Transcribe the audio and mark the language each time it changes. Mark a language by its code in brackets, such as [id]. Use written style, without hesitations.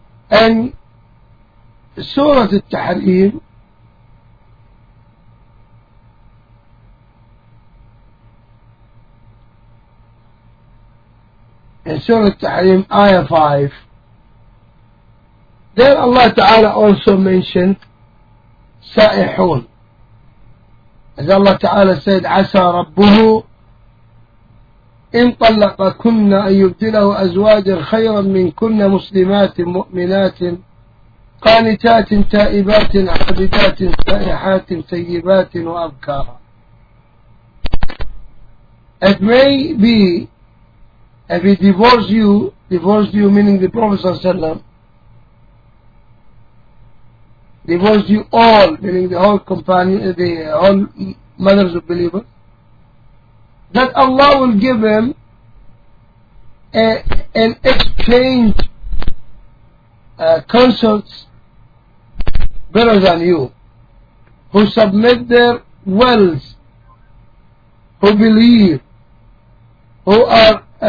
[en] And Surah Al-Tahrim, in Surah Al-Tahrim, Ayah 5, then Allah Ta'ala also mentioned Sa'ihun. As Allah Ta'ala said, [ar] Asa Rabbuhu إن طلقكن أن يبدله أزواجا خيرا منكن مسلمات مؤمنات قانتات تائبات عابدات سائحات طيبات وأبكارا. [en] It may be if he divorced you, meaning the Prophet [ar] صلى الله عليه وسلم, [en] divorced you all, meaning the whole companion, the whole mothers of believers, that Allah will give him an exchange consorts better than you, who submit their wills, who believe, who are